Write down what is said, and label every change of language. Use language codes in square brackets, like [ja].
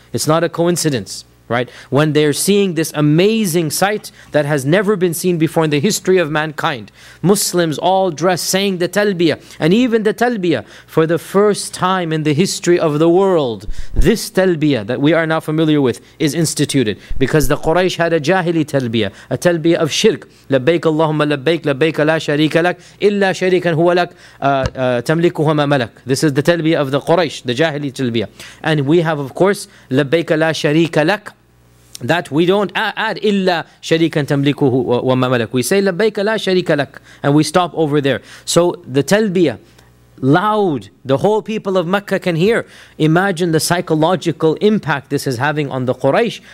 [en] It's not a coincidence, right? When they're seeing this amazing sight that has never been seen before in the history of mankind. Muslims all dressed saying the talbiyah. And even the talbiyah, for the first time in the history of the world, this talbiyah that we are now familiar with is instituted. Because the Quraysh had a jahili talbiyah, a talbiyah of shirk. [ar] لبيك اللهم لبيك لبيك لا شريك لك إلا شريكا هو لك تملكه ما ملك. [en] This is the talbiyah of the Quraysh, the jahili talbiyah. And we have, of course, [ar] لبيك لا شريك لك. [en] That we don't add [ar] illa sharikan tamlikuhu wa mamalak. [en] We say [ar] labbaika la sharika lak, [en] and we stop over there. So the talbiyah loud. The whole people of Mecca can hear. Imagine the psychological impact this is having on the Quraysh.